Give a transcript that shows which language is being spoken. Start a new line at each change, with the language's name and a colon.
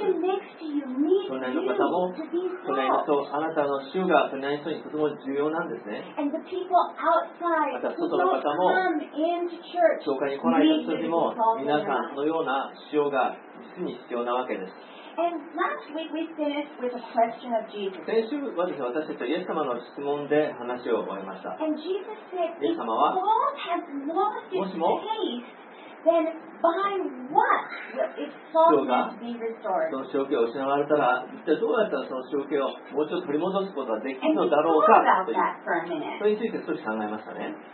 Japanese: 隣の方も隣の人、あなたの塩が隣の人にとても重要なんですね。また外の方も教会に来られた人も皆さんのような塩が実に必要なわけです。
English: And last week we finished with a question of Jesus.
Japanese: 先週はですね、私たちはイエス様の質問で話を終えました。
English: And Jesus said, if salt has lost its taste, then by what will its saltiness be restored?
Japanese: その塩気を失われたら、一体どうやったらその塩気をもう一度取り戻すことができるのだろうか。それについて少し考えましたね。